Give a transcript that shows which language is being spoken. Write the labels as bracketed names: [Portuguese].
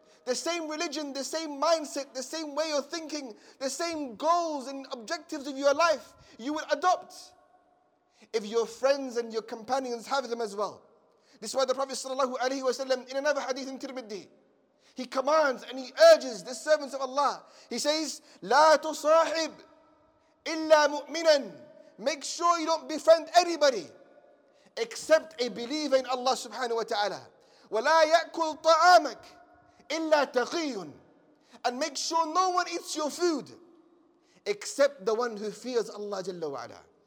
[English] The same religion, the same mindset, the same way of thinking, the same goals and objectives of your life you will adopt if your friends and your companions have them as well. This is why the Prophet sallallahu alaihi wasallam, in another hadith in Tirmidhi, he commands and he urges the servants of Allah. He says, [Arabic] لا تصاحب إلا مؤمنا. [English] Make sure you don't befriend anybody except a believer in Allah subhanahu wa ta'ala. [Arabic] ولا يأكل طعامك إلا تقي. [English] And make sure no one eats your food except the one who fears Allah Jalla wa'ala.